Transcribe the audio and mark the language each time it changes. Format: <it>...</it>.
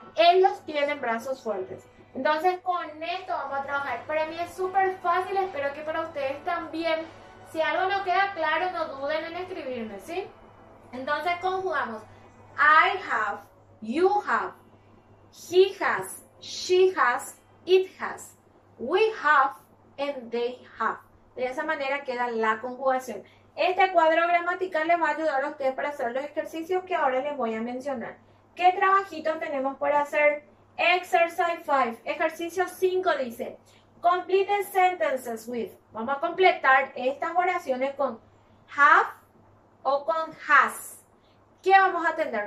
<es>Ellos tienen brazos fuertes. Entonces, con esto vamos a trabajar. Para mí es súper fácil. Espero que para ustedes también. Si algo no queda claro, no duden en escribirme, ¿sí? Entonces, conjugamos.</es> <en>I have, you have, he has, she has, it has, we have, and they have.</en> <es>De esa manera queda la conjugación. Este cuadro gramatical les va a ayudar a ustedes para hacer los ejercicios que ahora les voy a mencionar. ¿Qué trabajitos tenemos por hacer? Exercise 5. Ejercicio 5 dice,</es> <en>complete sentences with.</en> <es>Vamos a completar estas oraciones con have o con has. ¿Qué vamos a tener?</es>